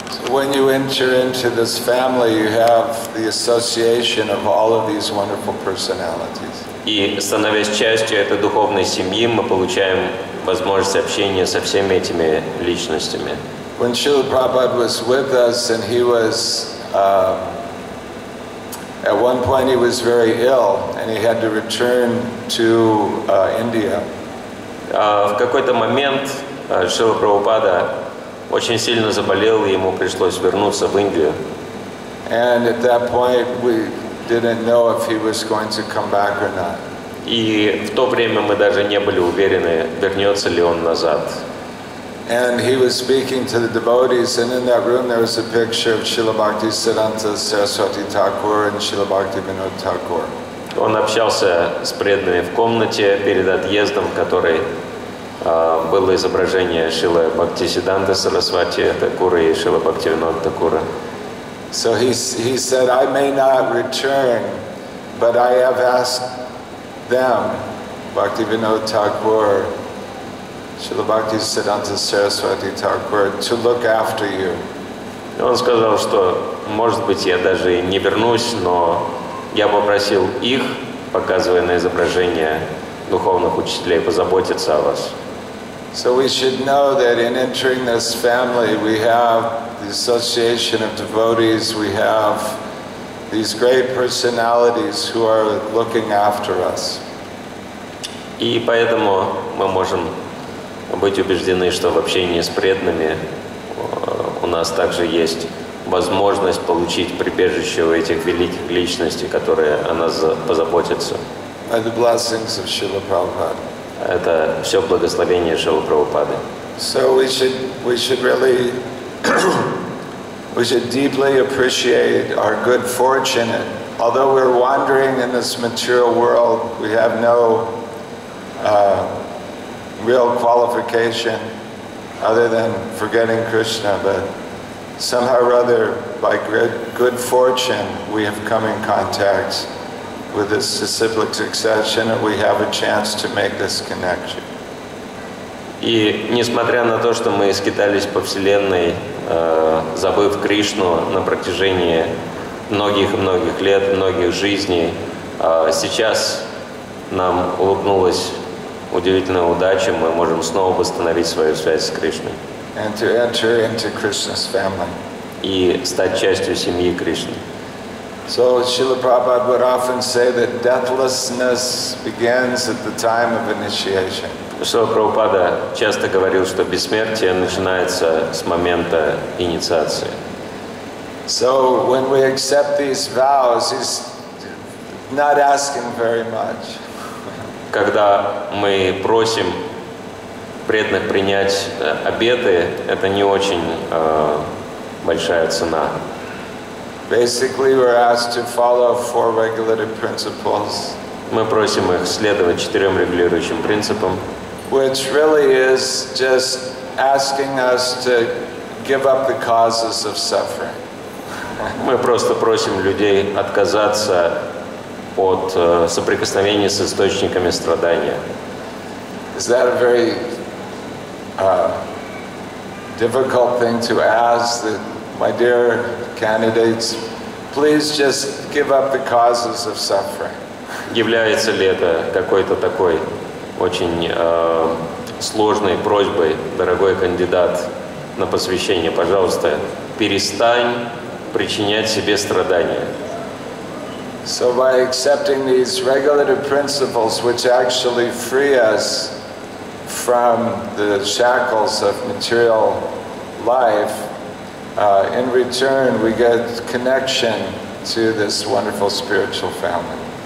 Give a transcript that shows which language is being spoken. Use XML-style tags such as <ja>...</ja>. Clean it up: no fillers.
<en>When you enter into this family, you have the association of all of these wonderful personalities.</en> <ru>И становясь частью этой духовной семьи, мы получаем возможность общения со всеми этими личностями.</ru> <en>When Srila Prabhupada was with us, and he was at one point he was very ill, and he had to return to India.</en> <ru>В какой-то момент Шрила Прабхупада очень сильно заболел, и ему пришлось вернуться в Индию.</ru> <en>And at that point we didn't know if he was going to come back or not.</en> <ru>И в то время мы даже не были уверены, вернется ли он назад.</ru> <en>And he was speaking to the devotees, and in that room there was a picture of Srila Bhakti Siddhanta Saraswati Thakur and Srila Bhakti Vinod Thakur.</en> <ru>Он общался с преданными в комнате перед отъездом, который было изображение Шрилы Бхактисиддханты Сарасвати Такура и Шрилы Бхактивинода Такура.</ru> <en>So he said, I may not return, but I have asked them, Bhaktivinoda Thakur, Шрилы Бхактисиддханты Сарасвати Такура, to look after you.</en> <ru>Он сказал, что может быть я даже и не вернусь, но я попросил их, показывая на изображение духовных учителей, позаботиться о вас.</ru> <en>So we should know that in entering this family, we have the association of devotees, we have these great personalities who are looking after us.</en> <ru>И поэтому мы можем быть убеждены, что в общении с преданными у нас также есть возможность получить прибежище у этих великих личностей, которые о нас позаботятся.</ru> <en>By the blessings of Srila Prabhupada.</en> <ru>Это все благословение Шрилы Прабхупады.</ru> <en>So we should deeply appreciate our good fortune. Although we're wandering in this material world, we have no real qualification other than forgetting Krishna. But somehow or other, by good fortune, we have come in contact with this disciplic succession, and we have a chance to make this connection.</en> <ru>И несмотря на то, что мы скитались по вселенной, забыв Кришну на протяжении многих лет, многих жизней, сейчас нам улыбнулась удивительная удача, мы можем снова восстановить свою связь с Кришной.</ru> <en>And to enter into Krishna's family.</en> <ru>И стать частью семьи Кришны.</ru> <en>So Srila Prabhupada would often say that deathlessness begins at the time of initiation.</en> <ru>Srila Prabhupada часто говорил, что бессмертие начинается с момента инициации.</ru> <en>So when we accept these vows, he's not asking very much.</en> <ru>Когда мы просим преданных принять обеты, это не очень большая цена.</ru> <en>Basically, we're asked to follow four regulative principles.</en> <ru>Мы просим их следовать четырем регулирующим принципам.</ru> <en>Which really is just asking us to give up the causes of suffering.</en> <ru>Мы просто просим людей отказаться от соприкосновения с источниками страдания.</ru> <en>Is that a very difficult thing to ask? That, my dear candidates, please just give up the causes of suffering.</en> <ru>Является ли это какой-то такой очень сложной просьбой, дорогой кандидат на посвящение? Пожалуйста, перестань причинять себе страдания.</ru> <en>So by accepting these regulative principles, which actually free us from the shackles of material life, In return, we get connection to this wonderful spiritual family.</en>